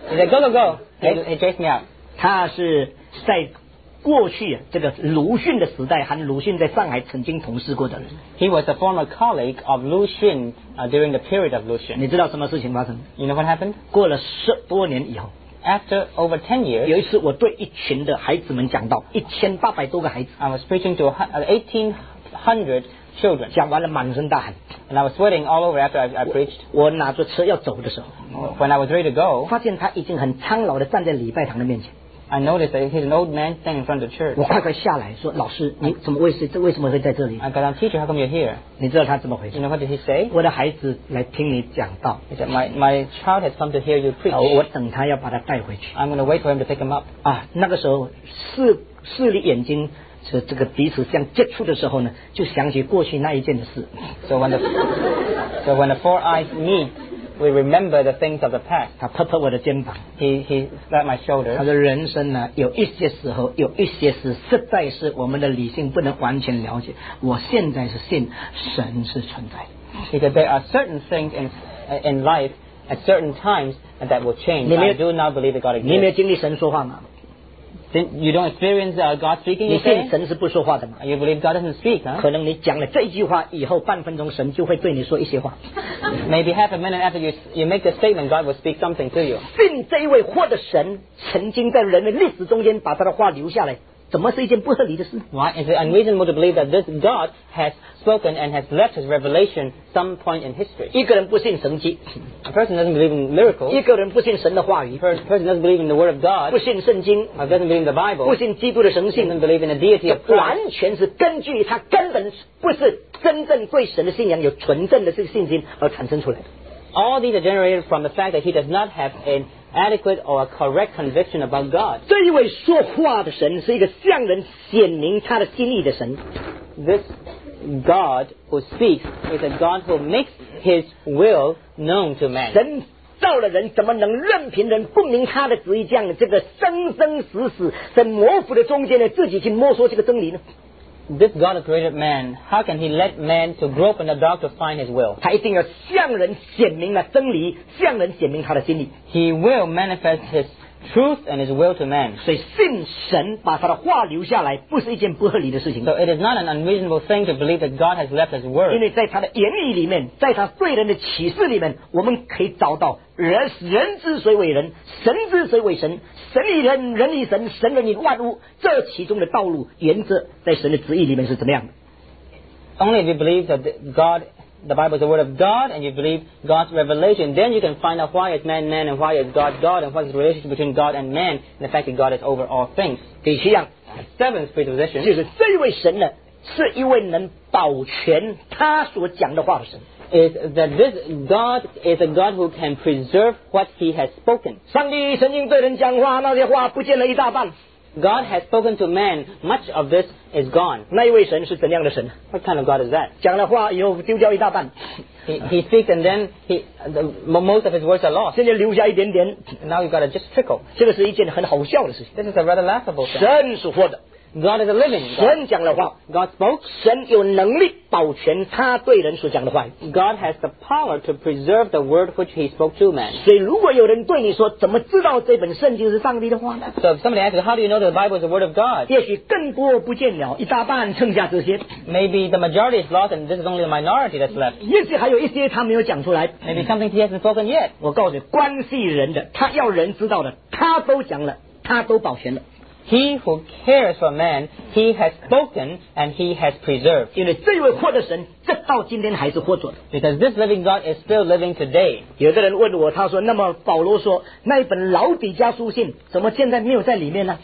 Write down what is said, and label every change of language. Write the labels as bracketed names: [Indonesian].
[English] He said, go. He chased me out. [Chinese] 他是在过去这个鲁迅的时代和鲁迅在上海曾经同事过的人。 [English] He was a former colleague of Lu Xun during the period of Lu Xun. [Chinese] 你知道什么事情发生 [English] ？You know what happened? [Chinese] 过了十多年以后。 [English] After over 10 years, [Chinese] 有一次我对一群的孩子们讲到1800多个孩子。 [English] I was preaching to 1800 children. [Chinese] 讲完了满身大汗。 [English] And I was sweating all over after I preached. [Chinese] 我拿着车要走的时候。 [English] When I was ready to go, [Chinese] 发现他已经很苍老的站在礼拜堂的面前。 [English] I noticed that he's an old man standing in front of the church. [Chinese] 我快快下来说，老师，你怎么为什么会在这里 [English] ？I got a teacher. How come you're here? [Chinese] 你知道他怎么回事 [English] ？You know what did he say? [Chinese] 我的孩子来听你讲道。 [English] He said, my child has come to hear you preach. [Chinese] 我等他要把他带回去。 [English] I'm going to wait for him to pick him up. [Chinese] 啊，那个时候视力眼睛是这个彼此相接触的时候呢，就想起过去那一件的事。 [English] So when the four eyes meet. We remember the things of the past. [Chinese] 他拍拍我的肩膀。 [English] He slapped my shoulder. [Chinese] 他说人生呢，有一些时候，有一些事，实在是我们的理性不能完全了解。我现在是信神是存在。 [English] He said there are certain things in life at certain times that will change. I do not believe that God exists. [Chinese] 你没有经历神说话吗？ [English] Then you don't experience God speaking. You say? [Chinese] 你信神是不说话的吗 [English] ？You believe God doesn't speak?、Huh? [Chinese] 可能你讲了这句话以后，半分钟神就会对你说一些话。 [English] Maybe half a minute after you make the statement, God will speak something to you. [Chinese] 信这一位活的神曾经在人类历史中间把他的话留下来，怎么是一件不合理的事 [English] ？Why is it unreasonable to believe that this God has spoken and has left his revelation some point in history? [Chinese] 一个人不信神迹 [English] ，a person doesn't believe in miracles. [Chinese] 一个人不信神的话语 [English] ，person doesn't believe in the word of God. [Chinese] 不信圣经 [English] ，doesn't believe in the Bible. [Chinese] 不信基督的神性 [English] ，doesn't believe in the deity of Christ. [Chinese] 完全是根据他根本不是真正对神的信仰有纯正的这个信心而产生出来的。 [English] All these are generated from the fact that he does not have an adequate or a correct conviction about God. [Chinese] 这一位说话的神是一个向人显明他的心意的神。 [English] This God who speaks is a God who makes his will known to man. [Chinese] 神造了人，怎么能任凭人不明他的旨意，这样这个生生死死在模糊的中间呢，自己去摸索这个真理呢？ [English] This God who created man, how can he let man to grope in the dark to find his will? [Chinese] 他一定要向人显明了真理，向人显明他的心意。 [English] He will manifest his truth and his will to man. [Chinese] 所以信神把他的话留下来，不是一件不合理的事情。 [English] So it is not an unreasonable thing to believe that God has left his word. [Chinese] 因为在他的言语里面，在他对人的启示里面，我们可以找到人之所以为人，神之所以为神。神以人，人以神，神人以万物，这其中的道路原则在神的旨意里面是怎么样的 [English] ？Only if you believe that God, the Bible is the word of God, and you believe God's revelation, then you can find out why is man man and why is God God, and what is the relationship between God and man, and the fact that God is over all things. [Chinese] 第七样 [English] ，seventh preposition， [Chinese] 就是这一位神呢，是一位能保全他所讲的话的神。 [English] Is that this God is a God who can preserve what He has spoken? [Chinese] 上帝曾经对人讲话，那些话不见了一大半。 [English] God has spoken to man; much of this is gone. [Chinese] 那一位神是怎样的神 [English] ？What kind of God is that? [Chinese] 讲了话以后丢掉一大半。 [English] He speaks and then most of his words are lost. [Chinese] 现在留下一点点。 [English] Now you've got to just trickle. [Chinese] 这个是一件很好笑的事情。 [English] This is a rather laughable thing. [Chinese] 神是活的。 [English] God is a living. God. [Chinese] 神讲了话 [English] ，God spoke. [Chinese] 神有能力保全他对人所讲的话。 [English] God has the power to preserve the word which He spoke to man. [Chinese] 所以，如果有人对你说，怎么知道这本圣经是上帝的话呢 [English] ？So if somebody asks you, how do you know the Bible is the word of God? [Chinese] 也许更多不见了，一大半剩下这些。 [English] Maybe the majority is lost, and this is only the minority that's left. [Chinese] 也许还有一些他没有讲出来。 [English] Maybe something he hasn't spoken yet. [Chinese] 我告诉你，关系人的，他要人知道的，他都讲了，他都保全了。 [English] He who cares for man, he has spoken and he has preserved. [Chinese] 因为这位活的神，直到今天还是活着的。 [English] Because this living God is still living today. [Chinese] 有的人问我，他说：“那么保罗说那一本老底加书信，怎么现在没有在里面呢